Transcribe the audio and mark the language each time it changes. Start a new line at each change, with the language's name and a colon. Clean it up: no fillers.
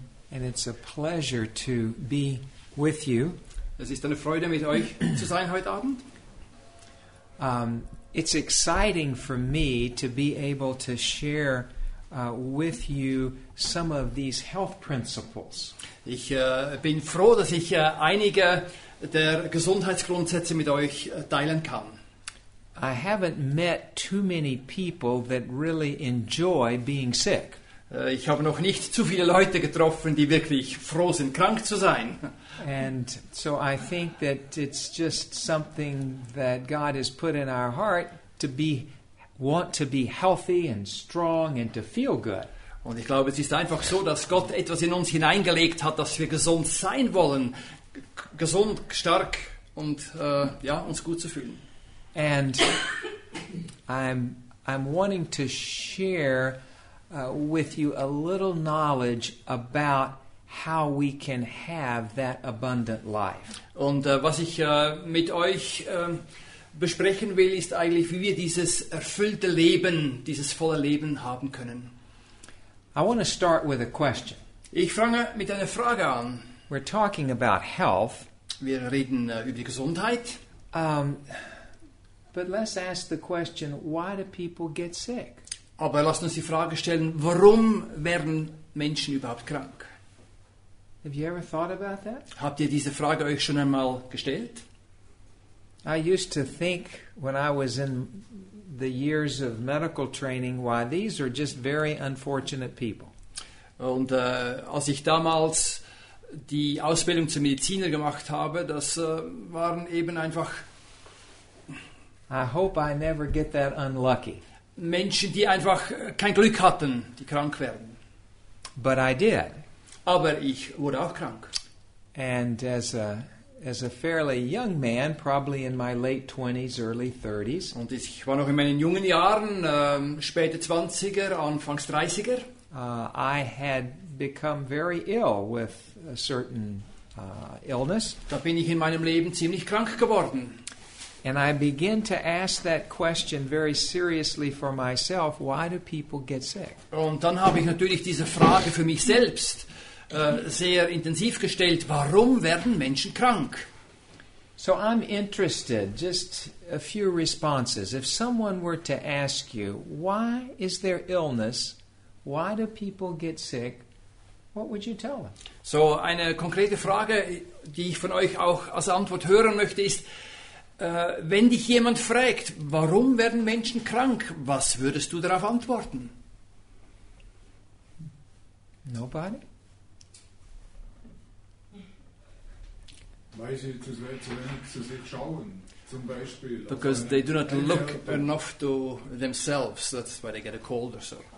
English: And it's a pleasure to be with you.
German: Es ist eine Freude, mit euch zu sein heute Abend.
English: It's exciting for me to be able to share with you some of these health principles.
German: Ich bin froh, dass ich einige der Gesundheitsgrundsätze mit euch teilen kann.
English: I haven't met too many people that really enjoy being sick.
German: Ich habe noch nicht zu viele Leute getroffen, die wirklich froh sind, krank zu sein.
English: And so I think that it's just something that God has put in our heart to be want to be healthy and strong and to feel good.
German: Und ich glaube, es ist einfach so, dass Gott etwas in uns hineingelegt hat, dass wir gesund sein wollen, gesund, stark und ja, uns gut zu fühlen.
English: And I'm wanting to share with you a little knowledge about how we can have that abundant life.
German: Und was ich mit euch besprechen will, ist eigentlich, wie wir dieses erfüllte Leben, dieses volle Leben haben können.
English: I want to start with a question.
German: Ich fange mit einer Frage an.
English: We're talking about health.
German: Wir reden über die Gesundheit.
English: But let's ask the question, why do people get sick?
German: Aber lasst uns die Frage stellen, warum werden Menschen überhaupt krank?
English: Have you ever thought about that?
German: Habt ihr diese Frage euch schon einmal gestellt?
English: I used to think when I was in the years of medical training, why these are just very unfortunate people.
German: Und als ich damals die Ausbildung zum Mediziner gemacht habe, das waren eben einfach
English: I hope I never get that unlucky.
German: Menschen, die einfach kein Glück hatten, die krank werden.
English: But I did.
German: Aber ich wurde auch krank.
English: And as a fairly young man, probably in my late 20s, early 30s.
German: Und ich war noch in meinen jungen Jahren, späte 20er, Anfangs 30er.
English: I had become very ill with a certain illness.
German: Da bin ich in meinem Leben ziemlich krank geworden.
English: And I begin to ask that question very seriously for myself, why do people get sick?
German: Und dann habe ich natürlich diese Frage für mich selbst sehr intensiv gestellt, warum werden Menschen krank?
English: So I'm interested, just a few responses. If someone were to ask you, why is there illness? Why do people get sick? What would you tell them?
German: So eine konkrete Frage, die ich von euch auch als Antwort hören möchte, ist, wenn dich jemand fragt, warum werden Menschen krank, was würdest du darauf antworten?
English: Nobody?
German: Weil sie zu wenig zu sich schauen, zum Beispiel.
English: Because they do not look enough to themselves, that's why they get a cold or so.